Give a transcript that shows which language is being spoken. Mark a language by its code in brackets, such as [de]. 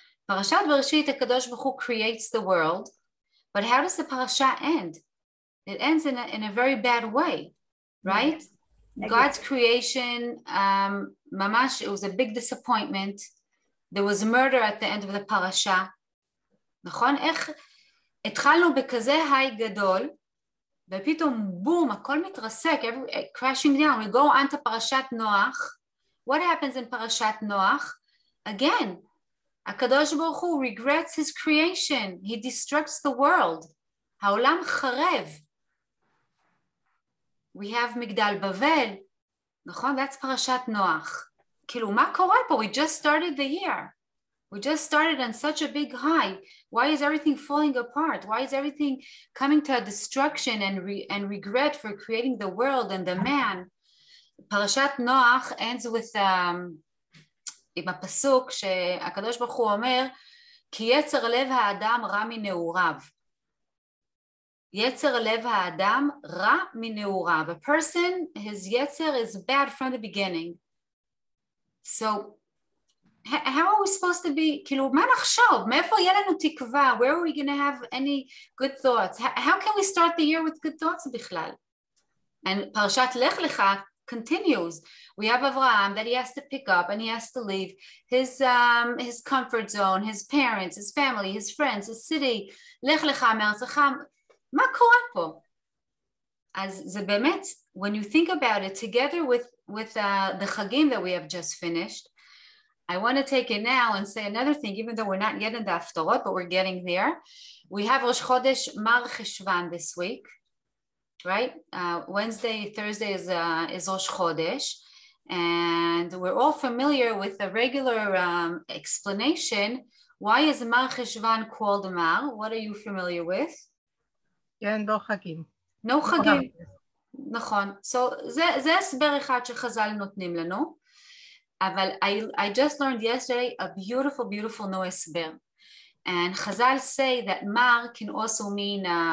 [en] Parashat Bereshit, the Kadosh Baruch Hu creates the world. But how does the parasha end? It ends in a very bad way, right? Yeah. God's creation, mamash, it was a big disappointment. There was murder at the end of the parasha. [he] Nachon? Ech? התחלנו בכזה היי גדול, ופתאום בום, הכל מתרסק, [en] crashing down, we go on to [he] פרשת נוח. [en] What happens in פרשת נוח? Again, הקדוש ברוך הוא regrets his creation, he destructs the world, [he] העולם חרב. [en] We have מגדל בבל, נכון? That's פרשת נוח. [he] כאילו, מה קורה פה? [en] We just started the year. We just started on such a big high. Why is everything falling apart? Why is everything coming to a destruction and regret for creating the world and the man? [he] פרשת נוח [en] ends with [he] עם הפסוק שהקדוש ברוך הוא אומר, כי יצר לב האדם רע מנעוריו. יצר לב האדם רע מנעוריו. [en] A person, his יצר is bad from the beginning. So, how are we supposed to be, [he] כאילו, מה נחשוב? מאיפה יהיה לנו תקווה? [en] Where are we going to have any good thoughts? How can we start the year with good thoughts בכלל? And פרשת לך לך, continues. We have Avraham that he has to pick up and he has to leave his comfort zone, his parents, his family, his friends, his city. [he] Lech lecha me'arzecha. Ma kora po? As ze bemet, [en] when you think about it, together with the chagim that we have just finished, I want to take it now and say another thing, even though we're not yet in the haftarot, but we're getting there. We have Rosh Chodesh Mar Cheshvan this week. Right? Wednesday, Thursday is Rosh Chodesh. And we're all familiar with the regular explanation. Why is Mar Cheshvan called Mar? What are you familiar with? [he] כן, לא חגים. [en] No חגים. נכון. [he] So, זה הסבר אחד שחזל נותנים לנו. [en] אבל I just learned yesterday a beautiful, beautiful new הסבר. And חזל say that Mar can also mean...